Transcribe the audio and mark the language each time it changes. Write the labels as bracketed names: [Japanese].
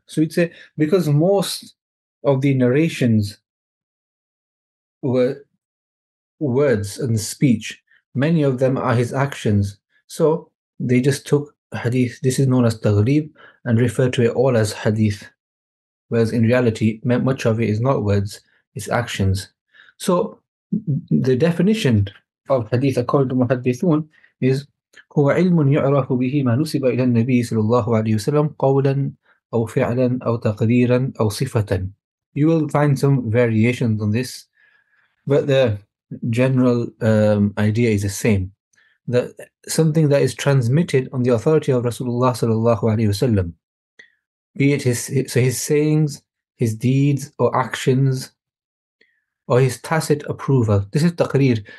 [English] So it's because most of the narrations were words and speech, many of them are his actions. So they just took hadith, this is known as taghlib, and referred to it all as hadith. Whereas in reality, much of it is not words, it's actions. So the definition of hadith according to Muhaddithun is [Arabic] هو علم يعرف به ما نسب إلى النبي صلى الله عليه وسلم قولا أو فعلا أو تقديرا أو صفة. [English] You will find some variations on this, but the general idea is the same, that something that is transmitted on the authority of Rasulullah sallallahu alaihi wasallam, be it his sayings, his deeds or actions, or his tacit approval. This is taqrir.